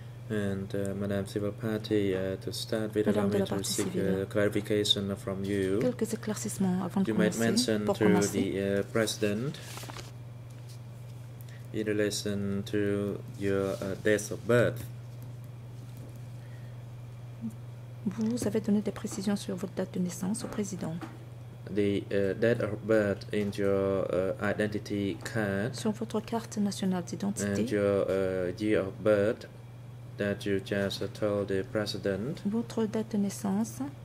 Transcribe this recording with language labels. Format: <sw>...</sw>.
<en>And Madame Civil Party, to start with, allow me to seek clarification from you.</en> <fr>Quelques éclaircissements avant</fr> <en>you might mention to the President in relation to your date of birth.</en> <fr>Vous avez donné des précisions sur votre date de naissance au Président.</fr> <en>The date of birth in your identity card.</en> <fr>Sur votre carte nationale d'identité.</fr> <en>And your year of birth that you just told the President.</en> <fr>Votre date de naissance.</fr>